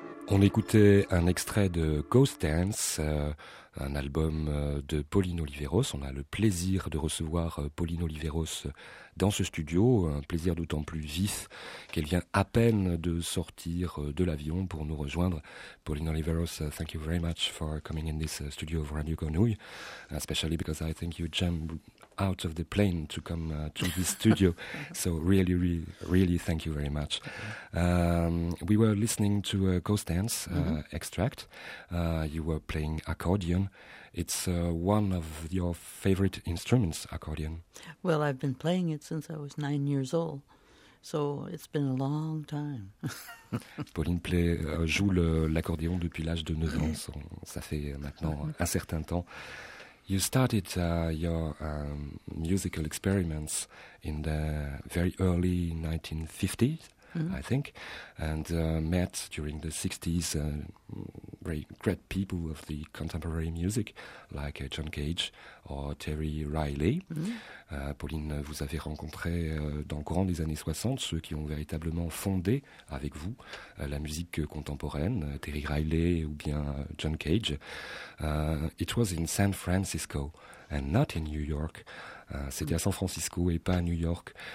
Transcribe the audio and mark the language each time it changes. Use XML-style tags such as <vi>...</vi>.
<fr>On écoutait un extrait de Ghost Dance, un album de Pauline Oliveros. On a le plaisir de recevoir Pauline Oliveros dans ce studio, un plaisir d'autant plus vif qu'elle vient à peine de sortir de l'avion pour nous rejoindre.</fr> <en>Pauline Oliveros, thank you very much for coming in this studio of Radio Grenouille, especially because I think you jumped out of the plane to come to this studio. So really, really, really thank you very much. We were listening to a Ghost Dance extract. You were playing accordion. It's one of your favorite instruments, accordion. Well, I've been playing it since I was 9 years old. So it's been a long time.</en> <fr>Pauline joue l'accordéon depuis l'âge de 9 ans. So, ça fait maintenant un certain temps.</fr> <en>You started your musical experiments in the very early 1950s, I think, and met during the 60s very great people of the contemporary music, like John Cage or Terry Riley.</en> <fr>Pauline, vous avez rencontré dans le courant des années 60 ceux qui ont véritablement fondé avec vous la musique contemporaine, Terry Riley ou bien John Cage.</fr> <en>It was in San Francisco and not in New York.</en> <fr>C'était à San Francisco et pas à New York.</fr>